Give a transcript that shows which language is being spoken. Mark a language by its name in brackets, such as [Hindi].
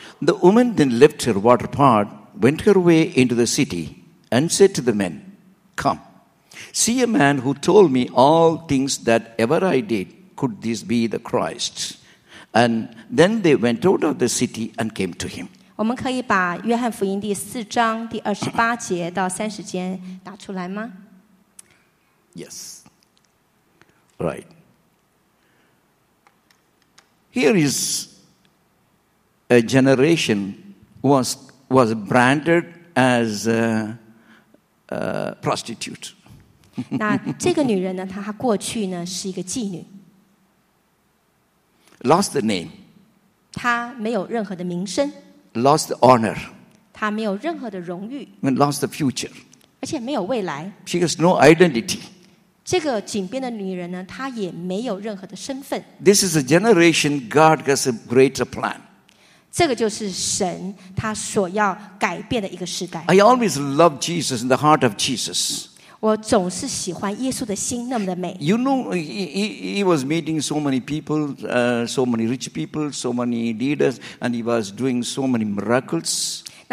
[English] The woman then left her water pot, went her way into the city, and said to the men, Come, see a man who told me all things that ever I did. Could this be the Christ? And then they went out of the city and came to him. [Chinese] 我们可以把约翰福音第四章第28节到30节打出来吗? [English] Yes. Right. Here is a generation was branded as prostitute. [Chinese] 那这个女人呢，她过去呢是一个妓女。 [English] Lost the name. [Chinese] 她没有任何的名声。 [English] Lost the honor. [Chinese] 她没有任何的荣誉。 [English] And lost the future. [Chinese] 而且没有未来。 [English] She has no identity. [Chinese] 这个井边的女人呢，她也没有任何的身份。 [English] This is a generation God has a greater plan. [Chinese] 这个就是神他所要改变的一个时代。 [English] I always love Jesus in the heart of Jesus. [Chinese] 我总是喜欢耶稣的心那么的美。 [English] You know, he was meeting so many people, so many rich people, so many leaders, and he was doing so many miracles.